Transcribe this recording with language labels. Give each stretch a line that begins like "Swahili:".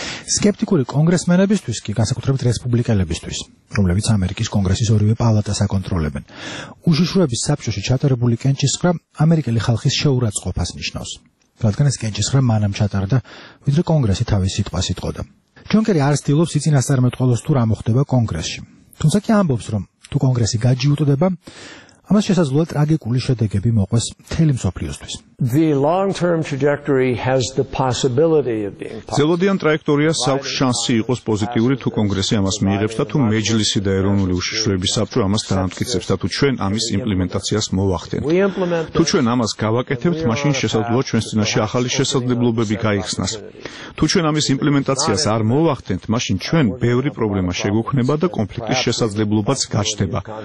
Georgian: სკეპტიკური კონგრესმენებისთვის კი, განსაკუთრებით რესპუბლიკელებისთვის, რომლებიც ამერიკის კონგრესის ორივე პალატას აკონტროლებენ, უშიშროების საბჭოში ჩატარებული კენჭისხრა ამერიკელი ხალხის შეურაცხყოფას ნიშნავს, რადგან ეს კენჭისხრა მანამ ჩატარდა, ვიდრე კონგრესი თავის სიტყვას იტყოდა. ჯონ კერი არ ცდილობს იწინასწარმეტყველოს, თუ რა მოხდება კონგრესში, თუმცა კი ამბობს, რომ თუ კონგრესი გაჯიუტდება, ამას შესაძლოა ტრაგიკული შედეგები მოყვეს მთელი მსოფლიოსთვის.
English: The long-term trajectory has the possibility of being positive.
Georgian: ზელოდიან ტრაექტორიას აქვს შანსი იყოს პოზიტიური, თუ კონგრესი ამას მიიღებს და თუ მეჯლისი და ეროვნული უშიშროების საბჭო ამას დაამტკიცებს და თუ ჩვენ ამის იმპლემენტაციას მოახდენთ. თუ ჩვენ ამას გავაკეთებთ, მაშინ შესაძლოა ჩვენს წინაშე ახალი შესაძლებლობები გაიხსნას. თუ ჩვენ ამის იმპლემენტაციას არ მოახდენთ, მაშინ ჩვენ ბევრი პრობლემა შეგვექმნება და კონფლიქტის შესაძლებლობაც გაჩნდება.